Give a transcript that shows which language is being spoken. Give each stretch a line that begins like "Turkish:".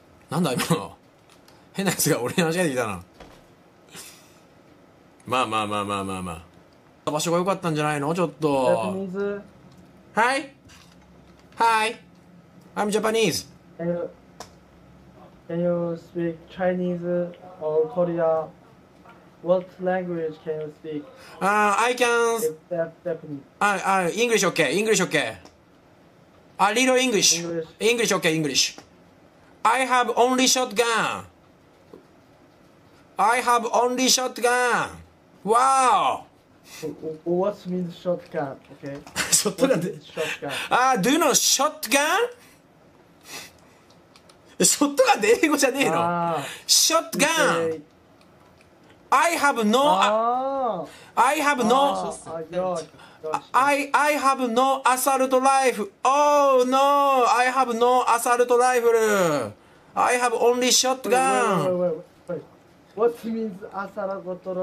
Japanese: なんだ今の、変なやつが俺に間違えてきたな。まあまあまあまあまあまあ、場所が良かったんじゃないの。ちょっとはいはい、
English: I'm Japanese。 Can you speak Chinese or Korea? What language can you speak? I can Japanese. English okay. English okay. A little English. English. English okay. English. I have only shotgun. I have only shotgun. Wow. What means shotgun? Okay. shotgun. Do you know shotgun?
Japanese: ショットガンって英語じゃねえの。ショットガン。
English: I have no I have no I have no assault rifle. Oh no, I have no assault rifle. I have only shotgun. What means assault rifle?